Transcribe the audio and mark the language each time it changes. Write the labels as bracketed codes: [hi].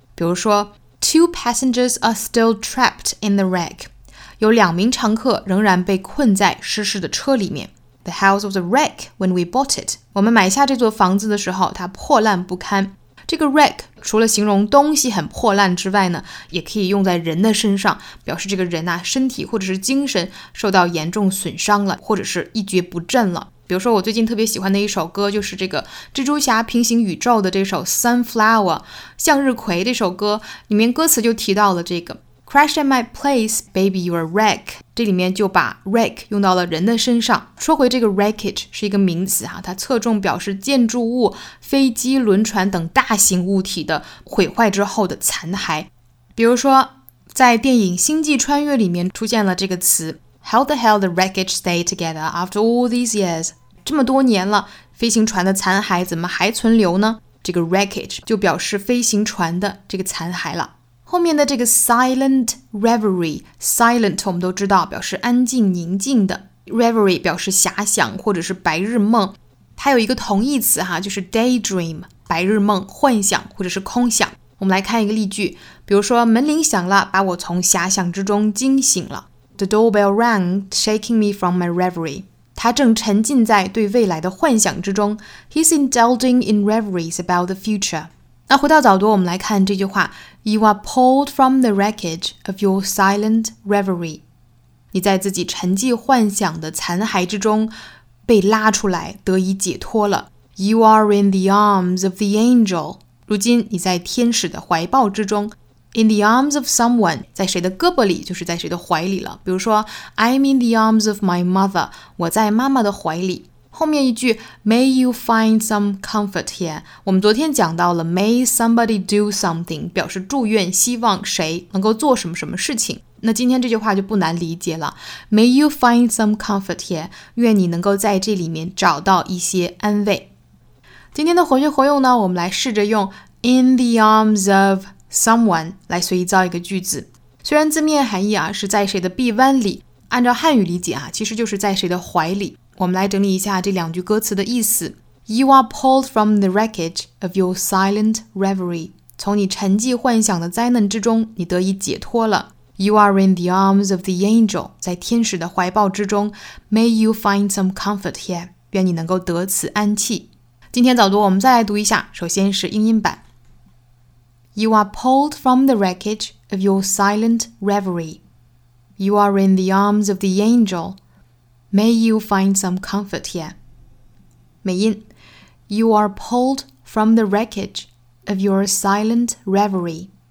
[zh] 比如说 [en] Two passengers are still trapped in the wreck. [zh] 有两名乘客仍然被困在失事的车里面。 [en] The house was a wreck when we bought it. [zh] 我们买下这座房子的时候，它破烂不堪。这个 wreck 除了形容东西很破烂之外呢，也可以用在人的身上，表示这个人啊，身体或者是精神受到严重损伤了，或者是一蹶不振了。比如说我最近特别喜欢的一首歌，就是这个蜘蛛侠平行宇宙的这首 Sunflower, 向日葵，这首歌里面歌词就提到了这个 [en] Crash at my place, baby you're a wreck, [zh] 这里面就把 wreck 用到了人的身上。说回这个 wreckage 是一个名词啊，它侧重表示建筑物、飞机、轮船等大型物体的毁坏之后的残骸。比如说在电影星际穿越里面出现了这个词， [en] How the hell the wreckage stay together after all these years? [zh] 这么多年了，飞行船的残骸怎么还存留呢？这个 wreckage 就表示飞行船的这个残骸了。后面的这个 [en] silent reverie, [zh] silent 我们都知道表示安静宁静的， reverie 表示遐想或者是白日梦。它有一个同义词哈，就是 daydream, 白日梦、幻想或者是空想。我们来看一个例句，比如说门铃响了，把我从遐想之中惊醒了。 [en] The doorbell rang, shaking me from my reverie. [zh] 他正沉浸在对未来的幻想之中。 [en] He's indulging in reveries about the future. [zh] 那回到早读，我们来看这句话。 [en] You are pulled from the wreckage of your silent reverie. [zh] 你在自己沉寂幻想的残骸之中被拉出来，得以解脱了。 [en] You are in the arms of the angel. [zh] 如今你在天使的怀抱之中。 [en] In the arms of someone, [zh] 在谁的胳膊里就是在谁的怀里了。比如说 [en] I'm in the arms of my mother, [zh] 我在妈妈的怀里。后面一句 [en] May you find some comfort here, [zh] 我们昨天讲到了 [en] May somebody do something, [zh] 表示祝愿希望谁能够做什么什么事情。那今天这句话就不难理解了。 [en] May you find some comfort here, [zh] 愿你能够在这里面找到一些安慰。今天的活学活用呢，我们来试着用 [en] In the arms ofSomeone [zh] 来随意造一个句子，虽然字面含义啊是在谁的臂弯里，按照汉语理解啊其实就是在谁的怀里。我们来整理一下这两句歌词的意思。 [en] You are pulled from the wreckage of your silent reverie. [zh] 从你沉寂幻想的灾难之中你得以解脱了。 [en] You are in the arms of the angel. [zh] 在天使的怀抱之中。 [en] May you find some comfort here. [zh] 愿你能够得此安憩。今天早读我们再来读一下，首先是英音版。 [en] You are pulled from the wreckage of your silent reverie. You are in the arms of the angel. May you find some comfort here. [zh] 美音。 [en] You are pulled from the wreckage of your silent reverie.